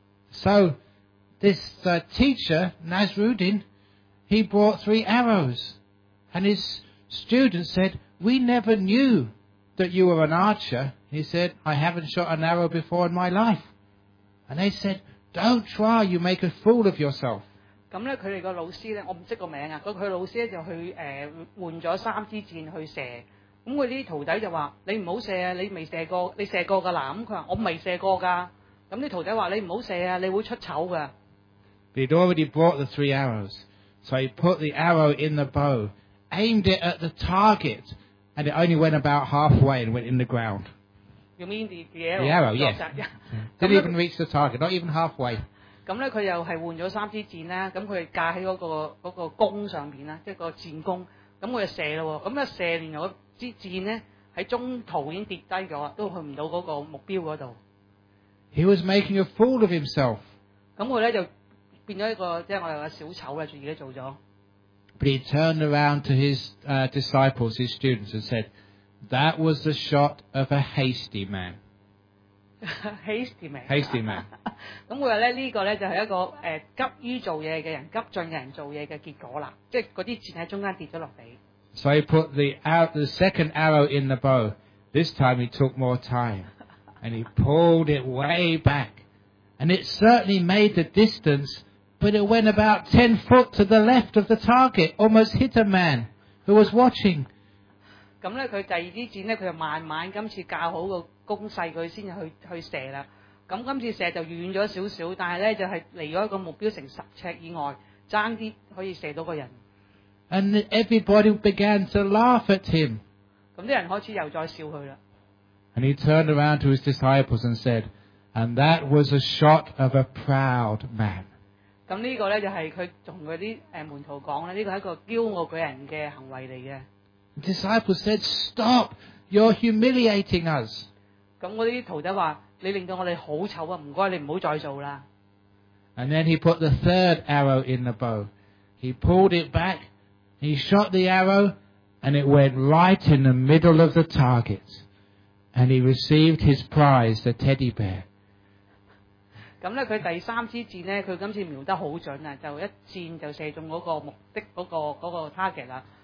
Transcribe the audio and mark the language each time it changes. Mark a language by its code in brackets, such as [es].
[en] So this teacher Nasruddin, he brought 3 arrows, and his student said, "We never knew that you were an archer." He said, "I haven't shot an arrow before in my life." And they said, "Don't try, you make a fool of yourself." [yue] 咁咧，佢哋個老師咧，我唔識個名啊。咁佢老師咧就去換咗3支箭去射。咁佢啲徒弟就話：你唔好射啊！你未射過，你射過噶啦。咁佢話：我未射過噶。咁啲徒弟話：你唔好射啊！你會出醜噶。 [en] He'd already brought the 3 arrows, so he put the arrow in the bow, aimed it at the target, and it only went about halfway and went in the ground. You mean the arrow? The arrow, yes. Didn't even reach the target. Not even halfway. [yue] 咁咧，佢又係換咗3支箭啦。咁佢架喺嗰個弓上面啦，即係個箭弓。咁佢就射咯。咁一射完嗰支箭咧，喺中途已經跌低咗，都去唔到嗰個目標嗰度。 [en] He was making a fool of himself。 [yue] 咁佢咧就變咗一個即係我哋話小丑啦，自己做咗。 [en] But he turned around to his disciples, his students, and said, "That was the shot of a hasty man." Hasty man. [yue] 咁佢話咧，呢個咧就係一個急於做嘢嘅人，急進人做嘢嘅結果啦。即係嗰啲箭喺中間跌咗落地。 [en] So he put the second arrow in the bow. This time he took more time, and he pulled it way back, and it certainly made the distance, but it went about 10 feet to the left of the target, almost hit a man who was watching. [yue] 咁咧，佢第二支箭咧，佢就慢慢今次校好個。攻勢佢先去射啦，咁今次射就遠咗少少，但係咧就係離咗一個目標成10尺以外，爭啲可以射到個人。 [en] And everybody began to laugh at him。 [yue] 咁啲人開始又再笑佢啦。 [en] And he turned around to his disciples and said, "And that was a shot of a proud man." [yue] 咁呢個咧就係佢同佢啲門徒講咧，呢個係一個驕傲嘅人嘅行為嚟嘅。 [en] The disciples said, "Stop! You're humiliating us." [yue] 咁嗰啲徒弟話：你令到我哋好醜啊！唔該，你唔好再做啦。 [en] And then he put the third arrow in the bow. He pulled it back. He shot the arrow, and it went right in the middle of the target. And he received his prize, the teddy bear. [yue] 咁咧，佢第三支箭咧，佢今次瞄得好準啊！就一箭就射中嗰個目的嗰個 target 啦。